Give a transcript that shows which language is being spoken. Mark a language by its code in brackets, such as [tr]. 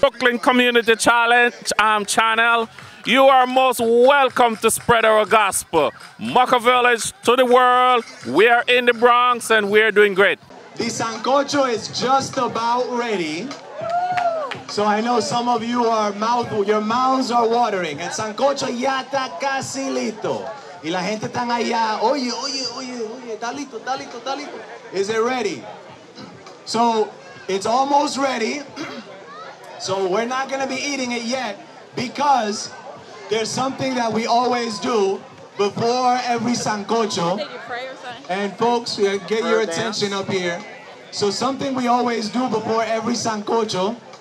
[en] Brooklyn Community Challenge channel, you are most welcome to spread our gospel. Mocha Village to the world, we are in the Bronx and we are doing great. The Sancocho is just about ready. So I know some of you your mouths are watering. [es] El Sancocho ya está casi listo. Y la gente están allá, oye, está listo. [en] Is it ready? So it's almost ready. So we're not gonna be eating it yet because there's something that we always do before every sancocho. And folks, get your attention up here. So something we always do before every sancocho